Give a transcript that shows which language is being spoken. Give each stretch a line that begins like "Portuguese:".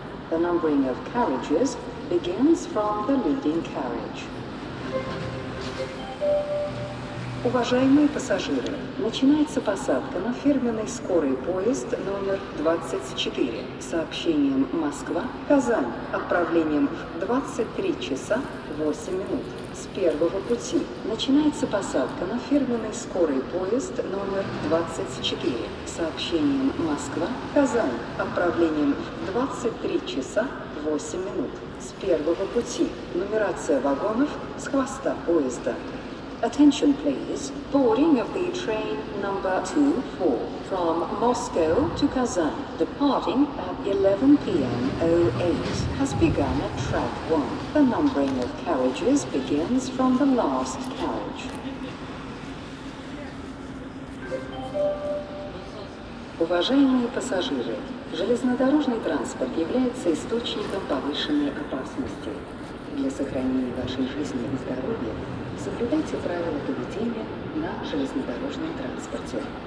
English: The numbering of carriages begins from the leading carriage.
Russian: Уважаемые пассажиры, начинается посадка на фирменный скорый поезд номер 24 сообщением Москва-Казань отправлением в 23 часа 8 минут. С первого пути начинается посадка на фирменный скорый поезд номер 24 сообщением Москва-Казань отправлением в 23 часа 8 минут. С первого пути нумерация вагонов с хвоста поезда.
English: Attention please, boarding of the train number 24 from Moscow to Kazan, departing at 11 p.m. 08, has begun at track 1. The numbering of carriages begins from the last carriage.
Russian: Уважаемые пассажиры, железнодорожный транспорт является источником повышенной опасности. Для сохранения вашей жизни и здоровья соблюдайте правила поведения на железнодорожном транспорте.